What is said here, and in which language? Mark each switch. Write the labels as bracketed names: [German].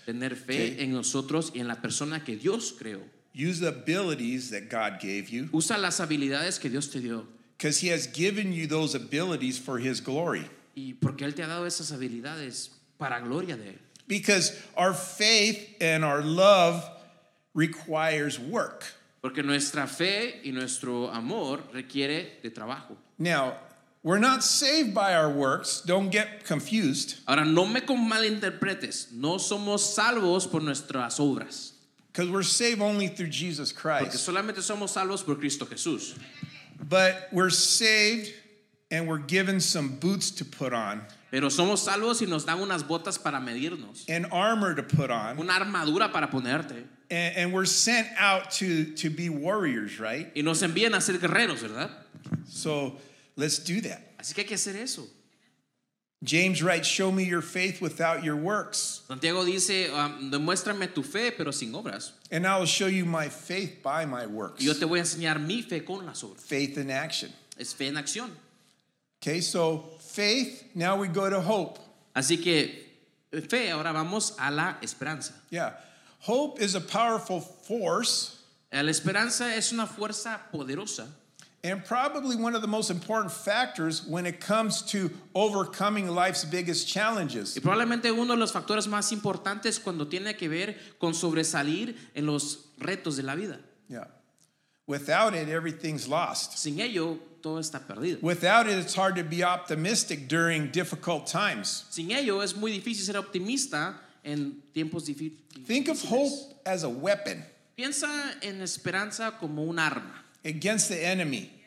[Spanish] Tener fe en nosotros y en la persona que Dios creó. [English] Use the abilities that God gave you. [Spanish] Usa las habilidades que Dios te dio. [English] Because he has given you those abilities for his glory. [Spanish] Y porque él te ha dado esas habilidades para gloria de él. [English] Because our faith and our love requires work. [Spanish] Porque nuestra fe y nuestro amor requiere de trabajo. [English] Now, we're not saved by our works. Don't get confused. [Spanish] Ahora, no me malinterpretes. No somos salvos por nuestras obras. [English] Because we're saved only through Jesus Christ. [Spanish] Porque solamente somos salvos por Cristo Jesús. [English] But we're saved and we're given some boots to put on. [Spanish] Pero somos salvos y nos dan unas botas para medirnos. [English] An armor to put on. [Spanish] Una armadura para ponerte. [English] And we're sent out to be warriors, right? [Spanish] Y nos envían a ser guerreros, ¿verdad? [English] So, let's do that. [Spanish] Así que hay que hacer eso. [English] James writes, "Show me your faith without your works." [Spanish] Santiago dice, "Demuéstrame tu fe, pero sin obras." [English] And I will show you my faith by my works. [Spanish] Yo te voy a enseñar mi fe con las obras. [English] Faith in action. [Spanish] Es fe en acción. [English] Okay, so faith. Now we go to hope. [Spanish] Así que fe. Ahora vamos a la esperanza. [English] Yeah. Hope is a powerful force. [Spanish] La esperanza es una fuerza poderosa. [English] And probably one of the most important factors when it comes to overcoming life's biggest challenges. [Spanish] Y probablemente uno de los factores más importantes cuando tiene que ver con sobresalir en los retos de la vida. [English] Yeah. Without it, everything's lost. [Spanish] Sin ello, todo está perdido. [English] Without it, it's hard to be optimistic during difficult times. [Spanish] Sin ello, es muy difícil ser optimista. [English] Think of hope as a weapon. [Spanish] Piensa en esperanza como un arma. [English] Against the enemy.